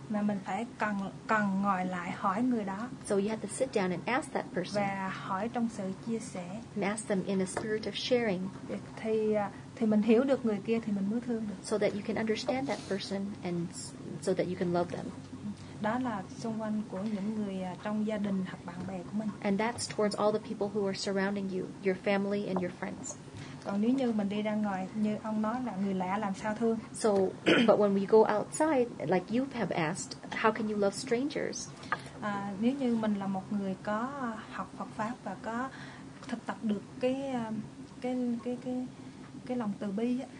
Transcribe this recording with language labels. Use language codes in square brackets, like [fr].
[vi] Mà mình phải cần ngồi lại hỏi người đó. [en] So you have to sit down and ask that person. [vi] Và hỏi trong sự chia sẻ. [en] And ask them in a spirit of sharing. [vi] Thì mình hiểu được người kia thì mình mới thương được. [en] So that you can understand that person and so that you can love them. [vi] Đó là xung quanh của những người trong gia đình hoặc bạn bè của mình. [en] And that's towards all the people who are surrounding you, your family and your friends. [vi] Còn nếu như mình đi ra ngoài, như ông nói là người lạ làm sao thương? [en] So, but when we go outside, like you have asked, how can you love strangers? [vi] Nếu như mình là một người có học Phật pháp và có thực tập được cái lòng từ bi.